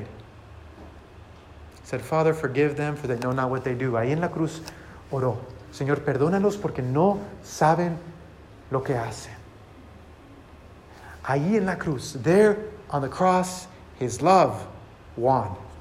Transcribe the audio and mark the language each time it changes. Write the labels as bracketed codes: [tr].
[en] He said, Father, forgive them, for they know not what they do. [es] Ahí en la cruz, oró. Señor, perdónalos porque no saben lo que hacen. Ahí en la cruz, [en] there on the cross, his love won.